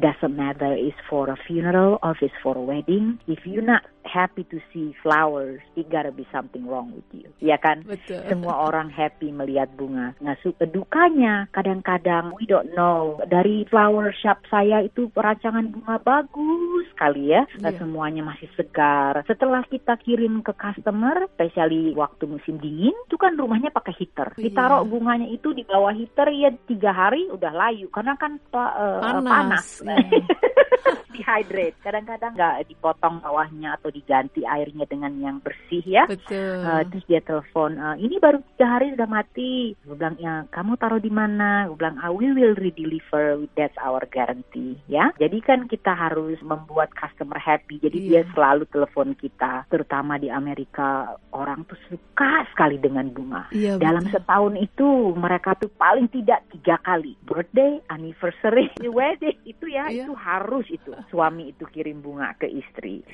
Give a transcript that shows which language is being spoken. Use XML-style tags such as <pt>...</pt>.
<en>It doesn't matter is for a funeral or is for a wedding. If you not happy to see flowers, it gotta be something wrong with you.</en> <id>Ya kan? Betul. Semua orang happy melihat bunga. Nah, suka dukanya kadang-kadang</id> <en>we don't know.</en> <id>Dari flower shop saya itu perancangan bunga bagus sekali ya. Nah, semuanya masih segar. Setelah kita kirim ke customer, especially waktu musim dingin, itu kan rumahnya pakai heater. Ditaruh bunganya itu di bawah heater ya 3 hari udah layu karena kan panas. Dehydrate. Kadang-kadang gak dipotong bawahnya atau diganti airnya dengan yang bersih ya. Betul. Terus dia telepon, ini baru 3 hari sudah mati. Gue bilang, ya, kamu taruh di mana? Gue bilang,</id> <en>we will redeliver, that's our guarantee.</en> <id>Ya. Jadi kan kita harus membuat customer happy. Jadi dia selalu telepon kita. Terutama di Amerika, orang tuh suka sekali dengan bunga. Iya, dalam setahun itu, mereka tuh paling tidak 3 kali.</id> <en>Birthday, anniversary, wedding.</en> <id>Itu ya, itu harus itu. Suami itu kirim bunga ke istri.</id>